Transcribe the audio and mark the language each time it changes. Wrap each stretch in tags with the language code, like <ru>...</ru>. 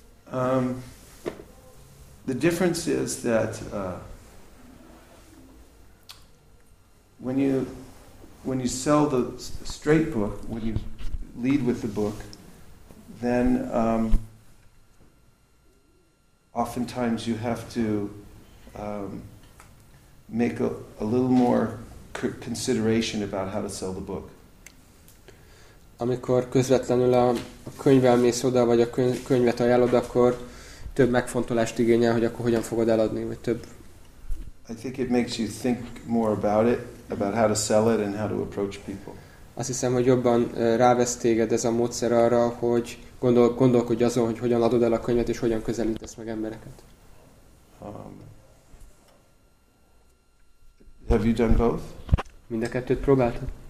<en>The difference is that when you sell the straight book, when you lead with the book, then oftentimes you have to make a little more consideration about how to sell the book.</en> <hu>Amikor közvetlenül a könyvvel mész oda, vagy a könyvet ajánlod, akkor több megfontolást igényel, hogy akkor hogyan fogod eladni, vagy több.</hu> <en>I think it makes you think more about it, about how to sell it and how to approach people.</en> <hu>Azt hiszem, hogy jobban rávesz téged ez a módszer arra, hogy gondolkodj azon, hogy hogyan adod el a könyvet, és hogyan közelítesz meg embereket.</hu> <en>Have you done both?</en> <hu>Mind a kettőt próbáltad?</hu>